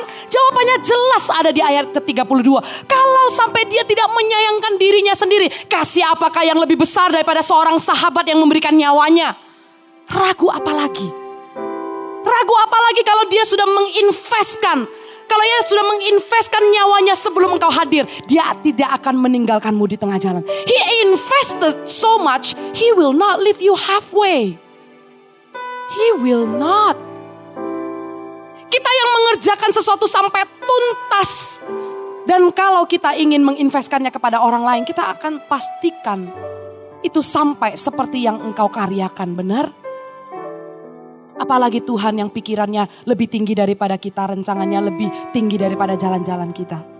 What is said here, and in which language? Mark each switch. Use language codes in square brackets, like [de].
[id] Jawabannya jelas ada di ayat ke-32. Kalau sampai dia tidak menyayangkan dirinya sendiri, kasih apakah yang lebih besar daripada seorang sahabat yang memberikan nyawanya? Ragu apa lagi? Ragu apa lagi kalau dia sudah menginvestkan? Kalau dia sudah menginvestkan nyawanya sebelum engkau hadir, dia tidak akan meninggalkanmu di tengah jalan. [en] He invested so much, he will not leave you halfway. He will not. [id] Kita yang mengerjakan sesuatu sampai tuntas, dan kalau kita ingin menginvestkannya kepada orang lain, kita akan pastikan itu sampai seperti yang engkau karyakan, benar? Apalagi Tuhan yang pikirannya lebih tinggi daripada kita, rencangannya lebih tinggi daripada jalan-jalan kita.